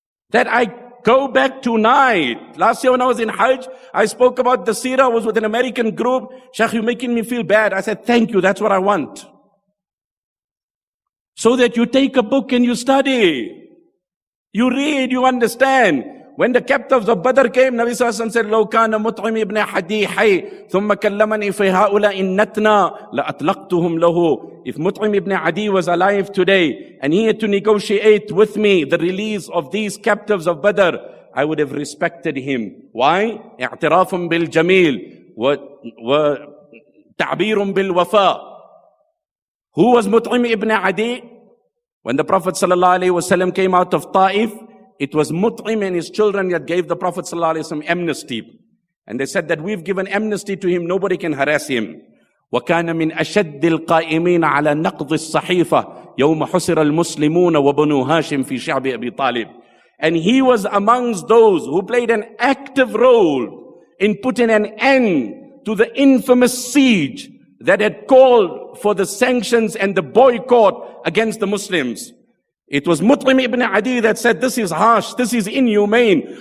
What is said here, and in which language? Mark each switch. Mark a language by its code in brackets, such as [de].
[en] That I go back tonight. Last year when I was in Hajj, I spoke about the seerah. I was with an American group. Sheikh, you're making me feel bad. I said, thank you. That's what I want. So that you take a book and you study. You read, you understand. When the captives of Badr came, Nabi Sallallahu Alaihi Wasallam said, [ar] لو كان مطعم ابن حديحي ثم كلمني في هؤلاء النتنا لأطلقتهم له. [en] If Mut'im ibn Adi was alive today and he had to negotiate with me the release of these captives of Badr, I would have respected him. Why? [ar] اعترافٌ بالجميل وتعبيرٌ بالوفاء. [en] Who was Mut'im ibn Adi? When the Prophet sallallahu alayhi wasallam came out of Ta'if, it was Mut'im and his children that gave the Prophet sallallahu alayhi wasallam amnesty. And they said that we've given amnesty to him, nobody can harass him. [ar] وكان من أشد القائمين على نقض الصحيفة يوم حصر المسلمون وبنو هاشم في شعب أبي طالب. [en] And he was amongst those who played an active role in putting an end to the infamous siege that had called for the sanctions and the boycott against the Muslims. It was Mut'im ibn Adi that said, this is harsh, this is inhumane.